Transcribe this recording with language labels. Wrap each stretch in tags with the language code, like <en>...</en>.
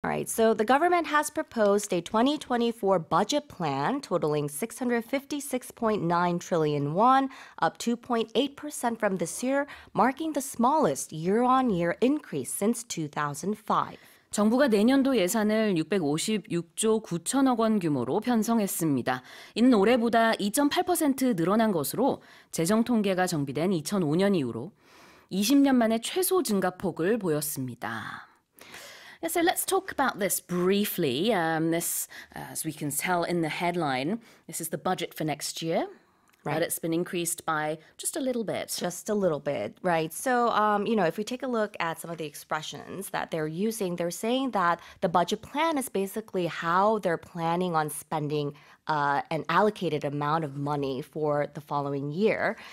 <en>All right, so the government has proposed a 2024 budget plan totaling 656.9 trillion won, up 2.8% from this year, marking the smallest year-on-year increase since 2005.</en> <ko>정부가 내년도 예산을 656조 9천억 원 규모로 편성했습니다. 이는 올해보다 2.8% 늘어난 것으로 재정통계가 정비된 2005년 이후로 20년 만에 최소 증가폭을 보였습니다.</ko> <en>Yeah, so let's talk about this briefly. This, as we can tell in the headline, this is the budget for next year. Right. But it's been increased by just a little bit. Just a little bit, right. So, you know, if we take a look at some of the expressions that they're using, they're saying that the budget plan is basically how they're planning on spending an allocated amount of money for the following year.</en>